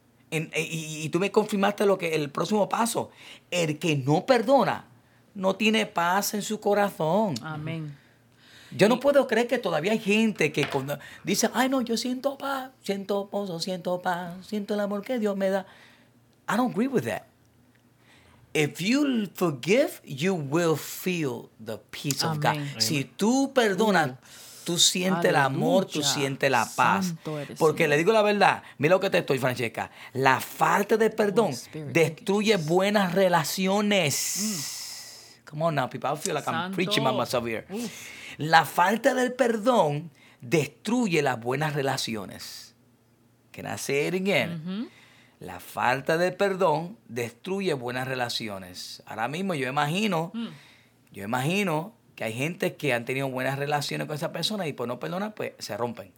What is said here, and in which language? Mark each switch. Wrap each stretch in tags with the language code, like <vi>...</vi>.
<es>Y tú me confirmaste el próximo paso. El que no perdona no tiene paz en su corazón. Amén. Yo no puedo creer que todavía hay gente que cuando dice, ay, no, yo siento paz, siento pozo, siento paz, siento el amor que Dios me da.</es> <en>I don't agree with that. If you forgive, you will feel the peace,</en> <es>amén,</es> <en>of God.</en> <es>Amén. Si tú perdonas, tú sientes, aleluya, el amor, tú sientes la paz. Porque Dios, le digo la verdad, mira lo que te estoy, Francesca. La falta de perdón destruye buenas relaciones. Mm.</es> <en>Come on now, people. I feel like I'm preaching by myself here.</en> <es>La falta del perdón destruye las buenas relaciones.</es> <en>Can I say it again? Mm-hmm.</en> <es>La falta del perdón destruye buenas relaciones. Ahora mismo yo imagino, que hay gente que han tenido buenas relaciones con esa persona y por no perdonar, pues se rompen.</es>